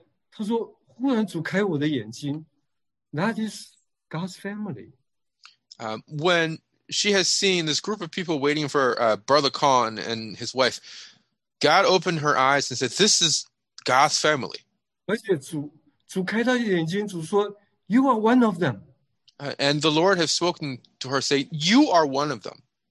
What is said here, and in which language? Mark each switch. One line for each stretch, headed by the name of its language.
Chinese: 他们见面的时候，他说忽然主开我的眼睛.
English: That is God's family. When she has seen this group of people waiting for Brother Khan and his wife, God opened her eyes and said, this is God's family.
Chinese: 而且主开他的眼睛,主说,
English: you are one of them. And the Lord has spoken to her, saying, you are one of them.